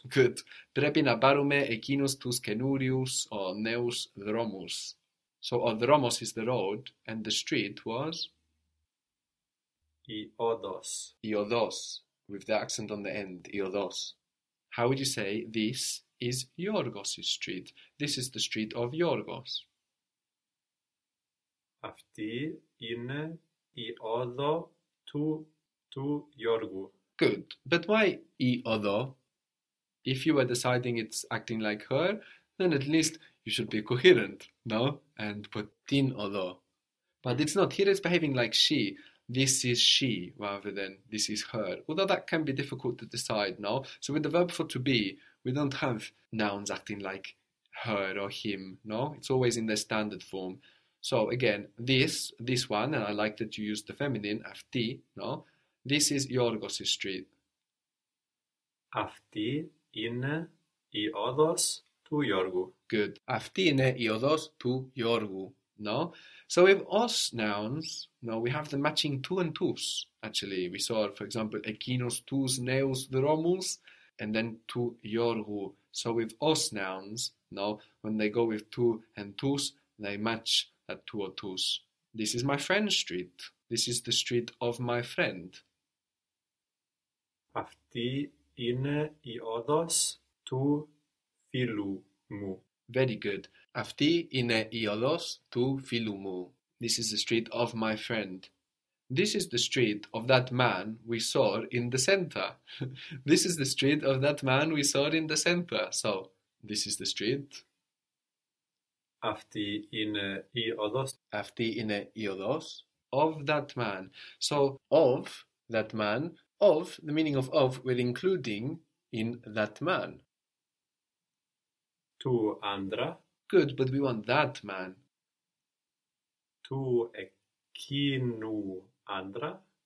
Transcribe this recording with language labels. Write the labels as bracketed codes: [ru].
[el] Good. Prepi na parume ekinus tus kenurius o neus dromus. [en] So, o dromos is the road, and the street was [el] Iodos. [en] iodos, with the accent on the end, iodos. How would you say this is Yorgos's street? This is the street of Yorgos. [el] Αυτή είναι η όδο του Γιώργου. [en] Good. But why iodo? If you were deciding it's acting like her, then at least you should be coherent, no? And put tin odo. But it's not. Here it's behaving like she. This is she rather than this is her. Although that can be difficult to decide, no? So with the verb for to be, we don't have nouns acting like her or him, no? It's always in the standard form. So again, this one, and I like that you use the feminine, αυτή, no? This is Yorgos' street. [el] Αυτή είναι η όδος του Γιώργου. [en] Good. [el] Αυτή είναι η οδός του Γιώργου. [en] No? So with os nouns, no, we have the matching to and tus. Actually, we saw, for example, [el] ekinos tus neus dromus, [en] and then tu Γιώργου. So with os nouns, no, when they go with tu and tus, they match that tu or tus. This is my friend's street. This is the street of my friend. [el] Αυτή είναι η όδος του φίλου μου. [en] Very good. [el] Αυτή είναι η οδός του φίλου μου. [en] This is the street of my friend. This is the street of that man we saw in the center. This is the street of that man we saw in the center. So, this is the street. [el] Αυτή είναι η όδος. Αυτή είναι η οδός [en] of that man. So, of that man, of, the meaning of, we're including in that man. [el] Του άντρα, [en] Good, but we want that man. [el] του εκείνου άντρα.